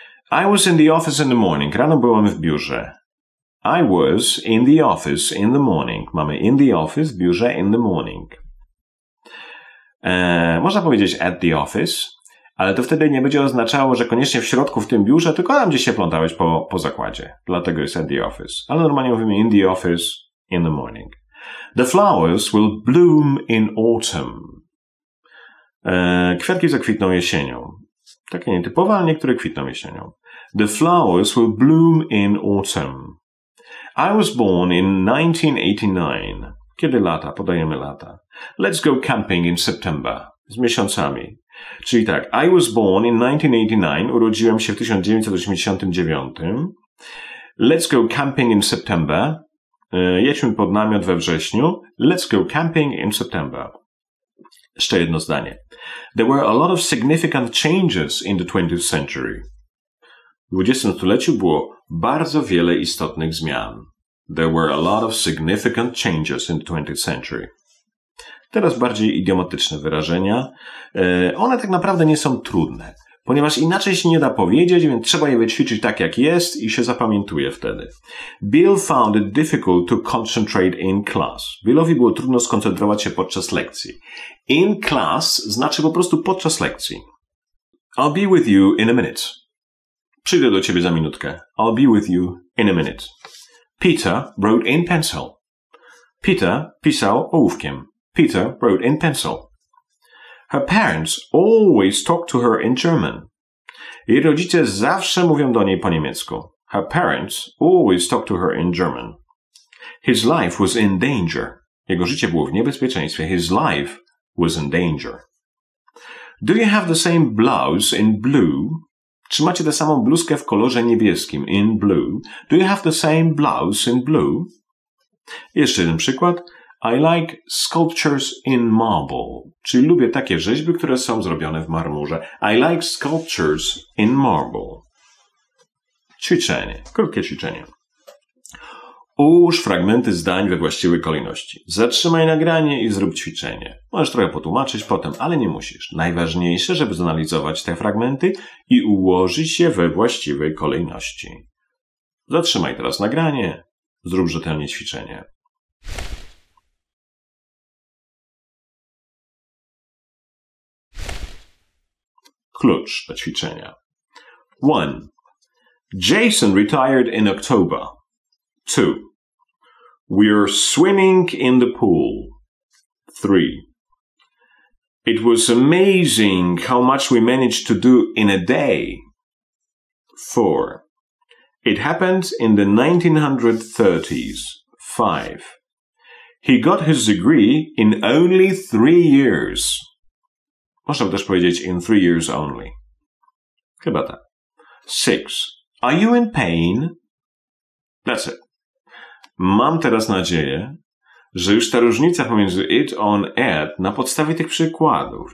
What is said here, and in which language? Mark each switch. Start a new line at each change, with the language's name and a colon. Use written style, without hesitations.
English: I was in the office in the morning.
Polish: Rano byłem w biurze.
English: I was in the office in the morning. Mamy in the office,
Polish: w biurze,
English: in the morning.
Polish: Można powiedzieć
English: at the office,
Polish: ale to wtedy nie będzie oznaczało, że koniecznie w środku w tym biurze, tylko tam, gdzie się plątałeś po zakładzie. Dlatego jest
English: at the office.
Polish: Ale normalnie mówimy
English: in the office in the morning. The flowers will bloom in autumn.
Polish: Kwiatki zakwitną jesienią. Takie nietypowe, ale niektóre kwitną jesienią.
English: The flowers will bloom in autumn. I was born in 1989.
Polish: Kiedy lata? Podajemy lata.
English: Let's go camping in September.
Polish: Z miesiącami. Czyli tak.
English: I was born in 1989.
Polish: Urodziłem się w 1989.
English: Let's go camping in September.
Polish: Jedźmy pod namiot we wrześniu.
English: Let's go camping in September.
Polish: Jeszcze jedno zdanie.
English: There were a lot of significant changes in the 20th century.
Polish: W 20. stuleciu było bardzo wiele istotnych zmian.
English: There were a lot of significant changes in the 20th century.
Polish: Teraz bardziej idiomatyczne wyrażenia. One tak naprawdę nie są trudne, ponieważ inaczej się nie da powiedzieć, więc trzeba je wyćwiczyć tak jak jest i się zapamiętuje wtedy.
English: Bill found it difficult to concentrate in class.
Polish: Billowi było trudno skoncentrować się podczas lekcji.
English: In class
Polish: znaczy po prostu podczas lekcji.
English: I'll be with you in a minute.
Polish: Przyjdę do ciebie za minutkę.
English: I'll be with you in a minute. Peter wrote in pencil.
Polish: Peter pisał ołówkiem.
English: Peter wrote in pencil. Her parents always talk to her in German.
Polish: Jej rodzice zawsze mówią do niej po niemiecku.
English: Her parents always talk to her in German. His life was in danger.
Polish: Jego życie było w niebezpieczeństwie.
English: His life was in danger. Do you have the same blouse in blue?
Polish: Czy macie tę samą bluzkę w kolorze niebieskim?
English: In blue. Do you have the same blouse in blue?
Polish: Jeszcze jeden przykład.
English: I like sculptures in marble.
Polish: Czyli lubię takie rzeźby, które są zrobione w marmurze.
English: I like sculptures in marble.
Polish: Ćwiczenie. Krótkie ćwiczenie. Ułóż fragmenty zdań we właściwej kolejności. Zatrzymaj nagranie i zrób ćwiczenie. Możesz trochę potłumaczyć potem, ale nie musisz. Najważniejsze, żeby zanalizować te fragmenty i ułożyć je we właściwej kolejności. Zatrzymaj teraz nagranie. Zrób rzetelnie ćwiczenie. Klucz do ćwiczenia. 1.
English: Jason retired in October. 2. We're swimming in the pool. 3. It was amazing how much we managed to do in a day. 4. It happened in the 1930s. 5. He got his degree in only 3 years.
Polish: Można by też powiedzieć
English: in 3 years only.
Polish: Chyba tak.
English: 6. Are you in pain? That's it.
Polish: Mam teraz nadzieję, że już ta różnica pomiędzy it, on, at na podstawie tych przykładów.